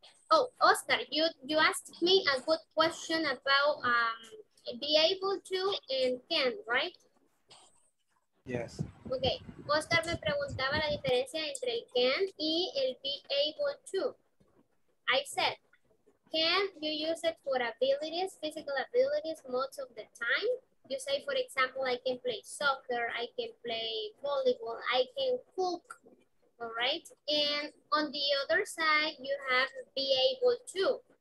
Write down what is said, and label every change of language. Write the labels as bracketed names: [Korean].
[English] Oh, Oscar, you asked me a good question about be able to and can, right? Yes. Okay. [Spanish] Oscar me preguntaba la diferencia entre el can y el be able to. [English] I said, can you use it for abilities, physical abilities, most of the time? You say, for example, I can play soccer, I can play volleyball, I can cook, all right? And on the other side, you have be able to.